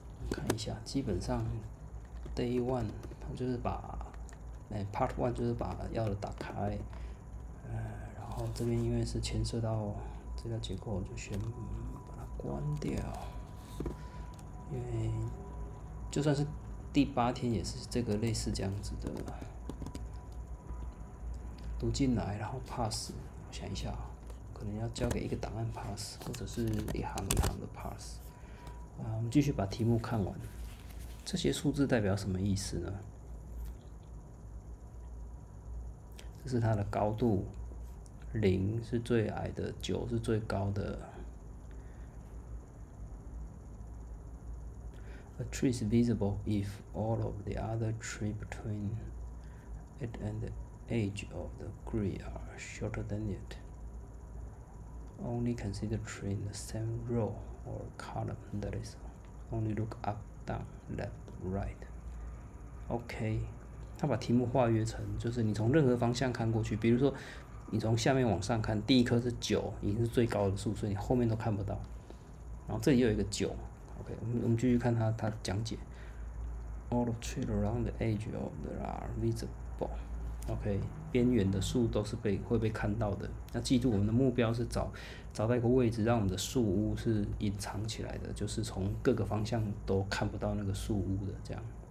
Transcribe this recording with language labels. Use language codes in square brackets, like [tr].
[zh] 看一下，基本上 day one 它就是把，part one 就是把钥匙打开，然后这边因为是牵涉到资料结构，我就先把它关掉，因为就算是第八天也是这个类似这样子的读进来，然后 pass，我想一下，可能要交给一个档案 pass，或者是一行一行的 pass。我们继续把题目看完。这些数字代表什么意思呢？这是它的高度，零是最矮的，九是最高的。 [en] A tree is visible if all of the other trees between it and the edge of the green are shorter than it. Only consider tree in the same row or column. That is, only look up, down, left, right. [zh] OK，他把题目化约成，就是你从任何方向看过去，比如说你从下面往上看，第一棵是九，已经是最高的树，所以你后面都看不到。然后这里又有一个九。 OK，我们继续看他讲解。 [en] All the trees around the edge of the are visible. [zh] OK，边缘的树都是会被看到的。那记住，我们的目标是找到一个位置，让我们的树屋是隐藏起来的，就是从各个方向都看不到那个树屋的这样。